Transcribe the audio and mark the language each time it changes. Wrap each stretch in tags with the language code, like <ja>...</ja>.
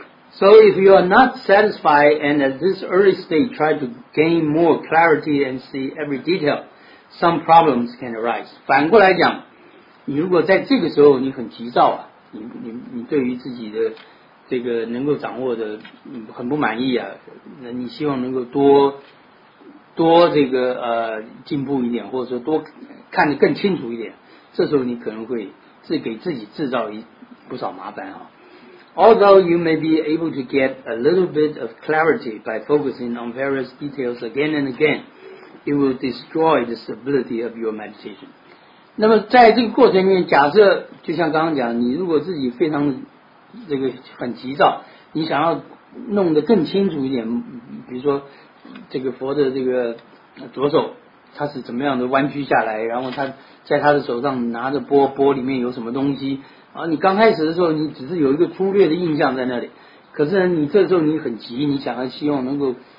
<en>So if you are not satisfied and at this early stage try to gain more clarity and see every detail, some problems can arise.</en> <zh>反过来讲，你如果在这个时候你很急躁啊，你对于自己的这个能够掌握的很不满意啊，那你希望能够多这个进步一点，或者说多看得更清楚一点，这时候你可能会是给自己制造不少麻烦啊。</zh> <en>Although you may be able to get a little bit of clarity by focusing on various details again and again, it will destroy the stability of your meditation.</en> <zh>那么在这个过程里面，假设就像刚刚讲，你如果自己非常这个很急躁，你想要弄得更清楚一点，比如说这个佛的这个左手他是怎么样的弯曲下来，然后他在他的手上拿着钵里面有什么东西，然后你刚开始的时候你只是有一个粗略的印象在那里，可是你这时候你很急，你想要希望能够</zh>